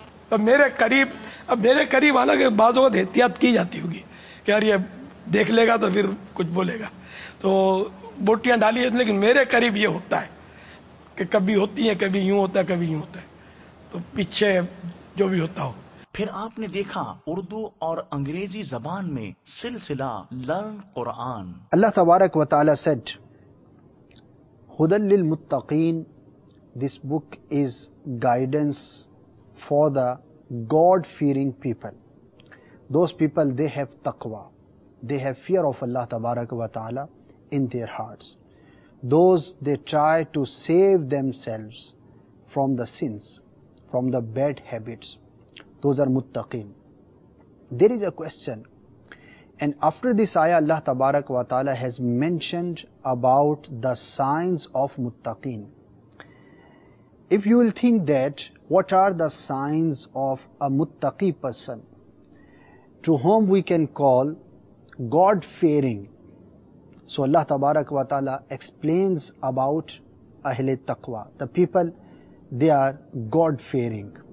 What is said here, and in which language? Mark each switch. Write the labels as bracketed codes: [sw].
[ur] اب میرے قریب حالانکہ بعض وقت احتیاط کی جاتی ہوگی کہ یار یہ دیکھ لے گا تو پھر کچھ بولے گا, تو بوٹیاں ڈالی ہیں لیکن میرے قریب یہ ہوتا ہے کہ کبھی ہوتی ہیں کبھی یوں ہوتا ہے کبھی یوں ہوتا ہے, تو پیچھے جو بھی ہوتا ہو. پھر آپ نے دیکھا اردو اور انگریزی زبان میں سلسلہ لرن قرآن. [en] اللہ تبارک و تعالی سیڈ ہدل للمتقین, this book is guidance for the god fearing people, those people they have تقوا, they have fear of Allah تبارک و تعالی in their hearts, those they try to save themselves from the sins from the bad habits, those are muttaqin. There is a question, and after this ayah Allah tabarak wa taala has mentioned about the signs of muttaqin. If you will think that what are the signs of a muttaqi person to whom we can call god fearing, so Allah tabarak wa taala explains about ahle taqwa, the people they are god fearing.